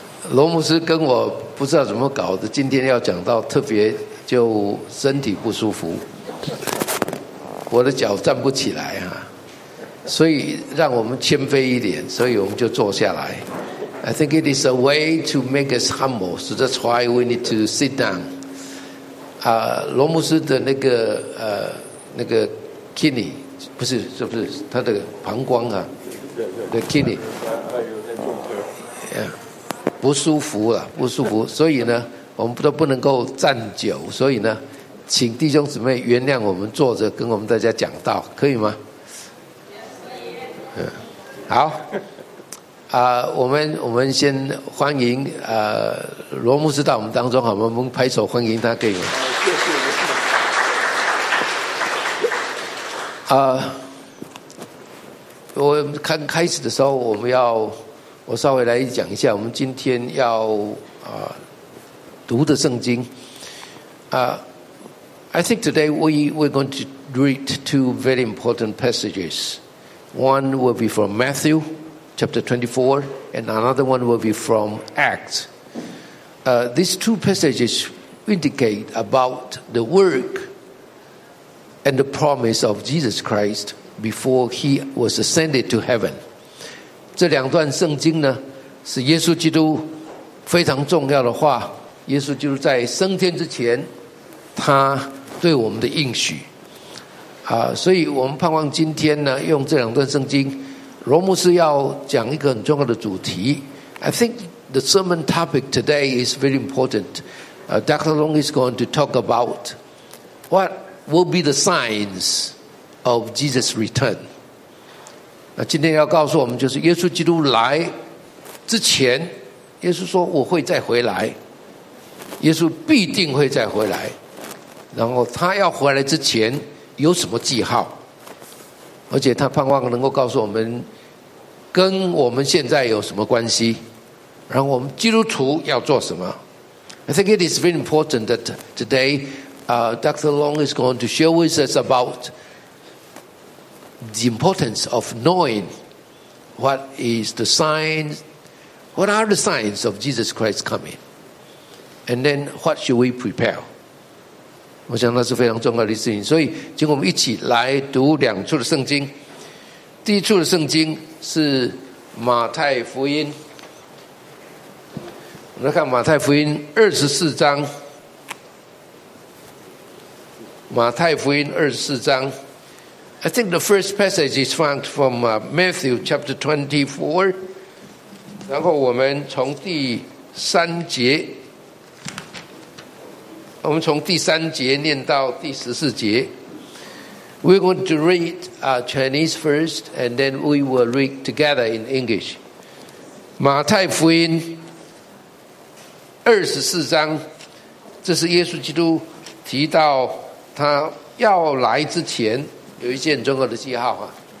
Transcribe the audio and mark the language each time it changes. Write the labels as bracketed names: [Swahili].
[Chinese] 罗牧师跟我不知道怎么搞的，今天要讲到特别就身体不舒服，我的脚站不起来哈。所以让我们谦卑一点，所以我们就坐下来。 [English] I think it is a way to make us humble, so that's why we need to sit down. [Chinese] 罗牧师的那个 kidney 不是他的膀胱啊的 kidney、不舒服了，不舒服。所以呢我们都不能够站久，所以呢请弟兄姊妹原谅我们坐着跟我们大家讲道，可以吗？好，我们先欢迎罗牧师到我们当中，好，我们拍手欢迎他，可以吗？我刚开始的时候，我稍微来讲一下，我们今天要读的圣经。 [English] I think today we're going to read two very important passages. One will be from Matthew chapter 24, and another one will be from Acts. These two passages indicate about the work and the promise of Jesus Christ before he was ascended to heaven. [Chinese] 这两段圣经呢，是耶稣基督非常重要的话。耶稣基督在升天之前，他对我们的应许。所以我们盼望今天呢，用这两段圣经，罗牧师要讲一个很重要的主题。 [English] I think the sermon topic today is very important. Dr. Long is going to talk about what will be the signs of Jesus' return. [Chinese] 那今天要告诉我们，就是耶稣基督来之前，耶稣说我会再回来，耶稣必定会再回来，然后他要回来之前有什么记号，而且他盼望能够告诉我们跟我们现在有什么关系，然后我们基督徒要做什么。 [English] I think it is very important that today Dr. Long is going to share with us about the importance of knowing what is the signs, what are the signs of Jesus Christ's coming, and then what should we prepare. [Chinese] 我想那是非常重要的事情，所以请我们一起来读两处的圣经。第一处的圣经是马太福音，我们来看马太福音24章。马太福音24章， [English] I think the first passage is found from Matthew chapter 24， [Chinese] 然后我们从第三节，我们从第三节念到第十四节。 [English] We're going to read Chinese first and then we will read together in English. [Chinese] 马太福音24章，这是耶稣基督提到他要来之前有一些很重要的记号。